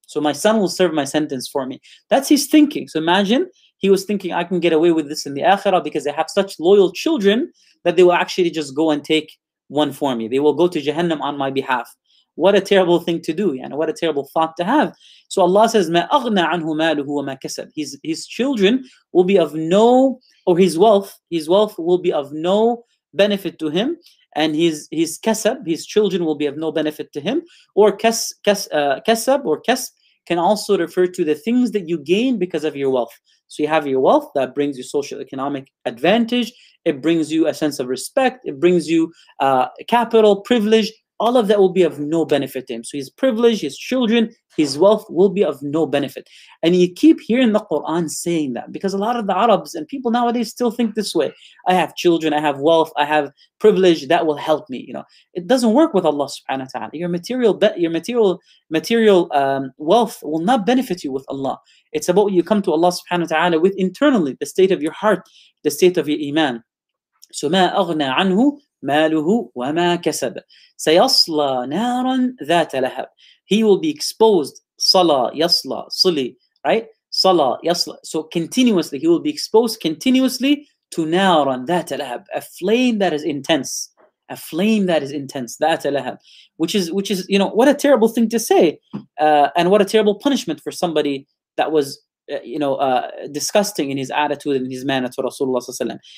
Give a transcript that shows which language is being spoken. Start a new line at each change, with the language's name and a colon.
English: So my son will serve my sentence for me. That's his thinking. So imagine he was thinking, I can get away with this in the Akhirah because they have such loyal children that they will actually just go and take one for me. They will go to Jahannam on my behalf. What a terrible thing to do, يعني what a terrible thought to have. So Allah says,
Arabic: مَا أَغْنَى عَنْهُ مَالُهُ وَمَا كَسَبْ.
English: His children will be of no, or his wealth will be of no benefit to him, and his kasab, his children will be of no benefit to him. Or kasab or kasb can also refer to the things that you gain because of your wealth. So you have your wealth that brings you social economic advantage, it brings you a sense of respect, it brings you capital, privilege, all of that will be of no benefit to him. So his privilege, his children, his wealth will be of no benefit. And you keep hearing the Quran saying that because a lot of the Arabs and people nowadays still think this way. I have children, I have wealth, I have privilege, that will help me. You know, it doesn't work with Allah subhanahu wa ta'ala. Your material wealth will not benefit you with Allah. It's about what you come to Allah subhanahu wa ta'ala with internally, the state of your heart, the state of your iman.
Arabic: So ما أغنى عنه ماله وما كسب سيصلى نارا ذات لهب.
English: He will be exposed.
Arabic: صلى يصلى صلي, right? صلى يصلى.
English: So continuously, he will be exposed continuously to
Arabic: نارا ذات لهب,
English: a flame that is intense, a flame that is intense.
Arabic: ذات لهب,
English: which is, you know, what a terrible thing to say, and what a terrible punishment for somebody that was, disgusting in his attitude and his manner to Rasulullah sallallahu alaihi wasallam.